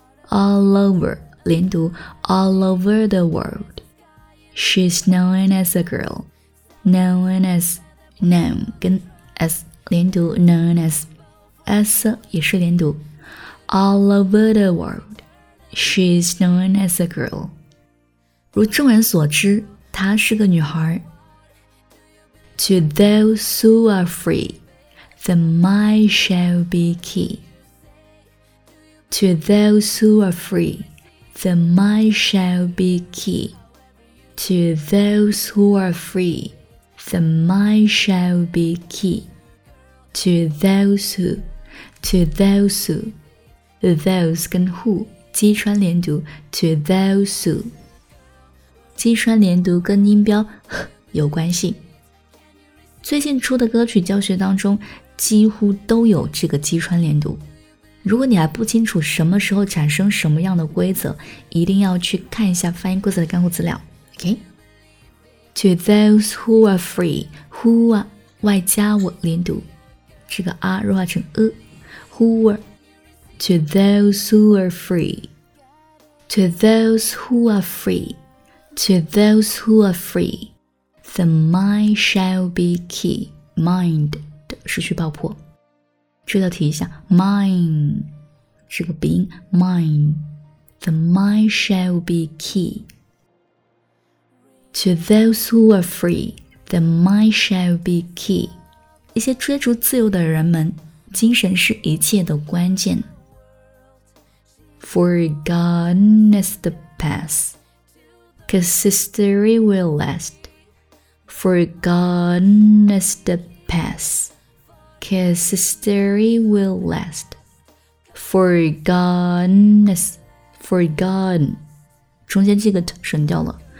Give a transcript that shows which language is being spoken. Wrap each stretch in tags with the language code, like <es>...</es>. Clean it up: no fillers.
<en>All over,</en> <zh>连读</zh> <en>all over the world. She's known as a girl, known as, known, 跟 as 连读 known as</en> <zh>也是连读</zh> <en>All over the world, she's known as a girl.</en> <zh>如众人所知，她是个女孩。</zh> <en>To those who are free, the mind shall be key. To those who are free, the mind shall be key. To those who are free, the mind shall be key. To those who, to those who, those 跟 who,</en> <zh>击穿连读</zh> <en>to those who.</en> <zh>击穿连读跟音标有关系。最近出的歌曲教学当中几乎都有这个击穿连读。如果你还不清楚什么时候产生什么样的规则，一定要去看一下发音规则的干货资料。</zh> <en>Okay. To those who are free, who are,</en> <zh>外加我连读，这个 R 弱化成 E,</zh> <en>who are, to those who are free, to those who are free, to those who are free, the mind shall be key, mind</en> <zh>的失去爆破，这道题一下</zh> <en>mind,</en> <zh>这个鼻音</zh> <en>mind, the mind shall be key. To those who are free, the mind shall be key.</en> <zh>一些追逐自由的人们，精神是一切的关键。</zh> <en>Forgotten is the past, cause history will last. Forgotten is the past, cause history will last.</en> <zh>Forgotten, 中间这个 t 省掉了。</zh>